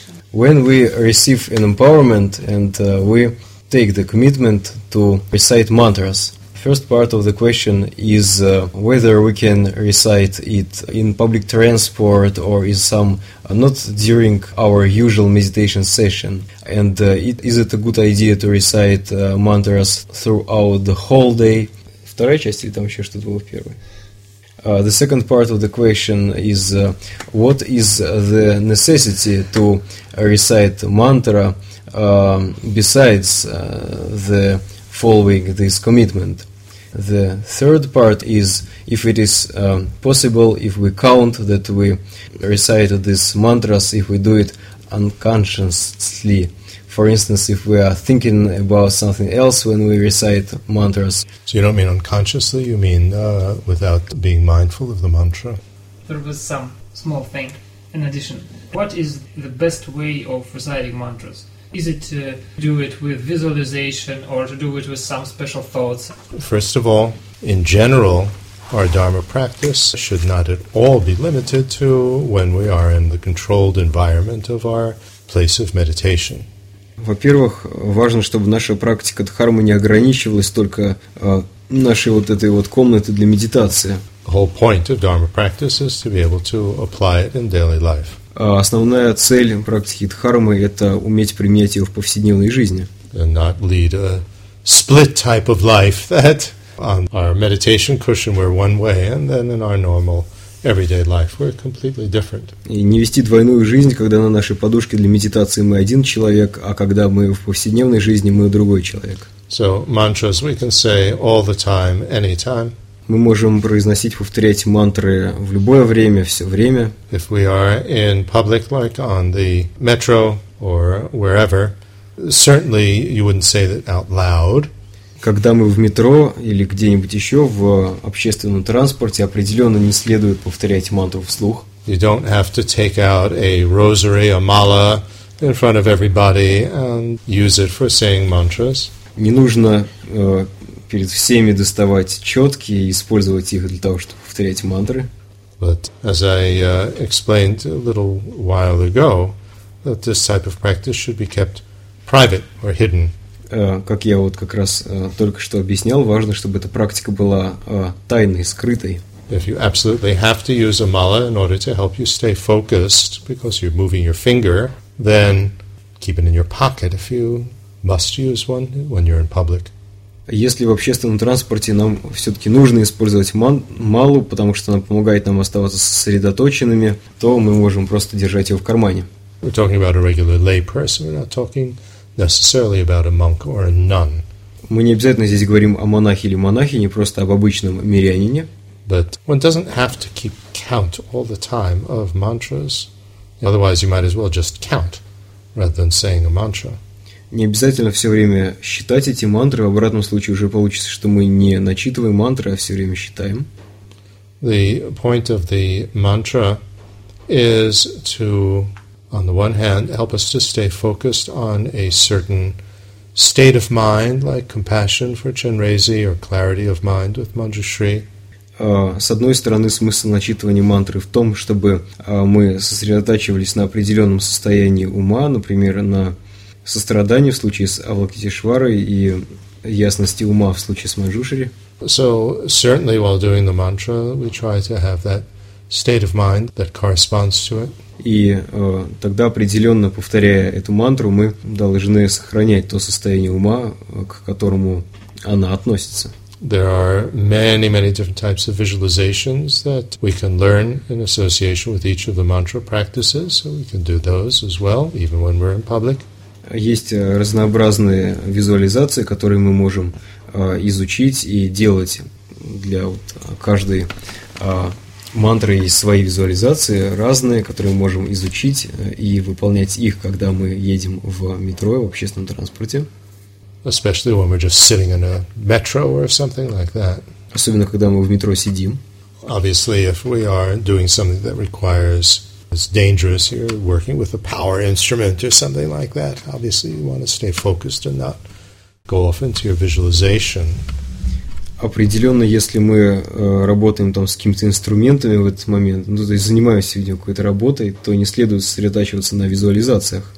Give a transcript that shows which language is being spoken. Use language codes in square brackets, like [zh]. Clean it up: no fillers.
[en] When we receive an empowerment and we take the commitment to recite mantras, first part of the question is whether we can recite it in public transport or in some not during our usual meditation session, and is it a good idea to recite mantras throughout the whole day? [ru] Вторая часть или там еще что-то было в первой? [en] The second part of the question is what is the necessity to recite mantra besides the following this commitment? The third part is if it is possible, if we count that we recite these mantras, if we do it unconsciously. For instance, if we are thinking about something else when we recite mantras. So you don't mean unconsciously, you mean without being mindful of the mantra? There was some small thing in addition. What is the best way of reciting mantras? Is it to do it with visualization or to do it with some special thoughts? First of all, in general, our Dharma practice should not at all be limited to when we are in the controlled environment of our place of meditation. [ru] Во-первых, важно, чтобы наша практика дхармы не ограничивалась только нашей вот этой вот комнаты для медитации. [en] The whole point of Dharma practice is to be able to apply it in daily life. [ru] Основная цель практики дхармы – это уметь применять ее в повседневной жизни. [en] And not lead a split type of life that on our meditation cushion we're one way, and then in our normal everyday life we're completely different. [ru] И не вести двойную жизнь, когда на нашей подушке для медитации мы один человек, а когда мы в повседневной жизни, мы другой человек. [en] So mantras we can say all the time, anytime. [ru] Мы можем произносить, повторять мантры в любое время, все время. [en] If we are in public, like on the metro or wherever, certainly you wouldn't say that out loud. [ru] Когда мы в метро или где-нибудь еще в общественном транспорте, определенно не следует повторять мантру вслух. [en] You don't have to take out a rosary, a mala in front of everybody and use it for saying mantras. [ru] Не нужно перед всеми доставать четки и использовать их для того, чтобы повторять мантры. [en] But as I explained a little while ago, that this type of practice should be kept private or hidden. [ru] Как я вот как раз только что объяснял, важно, чтобы эта практика была тайной, скрытой. [en] If you absolutely have to use a mala in order to help you stay focused because you're moving your finger, then keep it in your pocket if you must use one when you're in public. [ru] Если в общественном транспорте нам все-таки нужно использовать малу, потому что она помогает нам оставаться сосредоточенными, то мы можем просто держать ее в кармане. [en] We're talking about a regular lay person. We're not talking necessarily about a monk or a nun. [ru] Мы не обязательно здесь говорим о монахе или монахине, просто об обычном мирянине. [en] But one doesn't have to keep count all the time of mantras. Otherwise, you might as well just count rather than saying a mantra. [ru] Не обязательно все время считать эти мантры. В обратном случае уже получится, что мы не начитываем мантры, а все время считаем. [en] The point of the mantra is to, on the one hand, help us to stay focused on a certain state of mind, like compassion for Chenrezig or clarity of mind with Manjushri. [ru] С одной стороны, смысл начитывания мантры в том, чтобы мы сосредотачивались на определенном состоянии ума, например, на сострадании в случае с Авалокитешварой и ясности ума в случае с Манджушри. [en] So, certainly, while doing the mantra, we try to have that state of mind that corresponds to it. [ru] И тогда, определенно повторяя эту мантру, мы должны сохранять то состояние ума, к которому она относится. [en] There are many, many different types of visualizations that we can learn in association with each of the mantra practices, so we can do those as well, even when we're in public. [ru] Есть разнообразные визуализации, которые мы можем изучить и делать для вот каждой мантры и свои визуализации разные, которые мы можем изучить и выполнять их, когда мы едем в метро, в общественном транспорте. [en] Especially when we're just sitting in a metro or something like that. [ru] Особенно, когда мы в метро сидим. [en] Obviously, if we are doing something that requires, it's dangerous, you're working with a power instrument or something like that, obviously you want to stay focused and not go off into your visualization. [ru] Определенно, если мы работаем там с какими-то инструментами в этот момент, ну, то есть занимаемся видимо, какой-то работой, то не следует сосредотачиваться на визуализациях.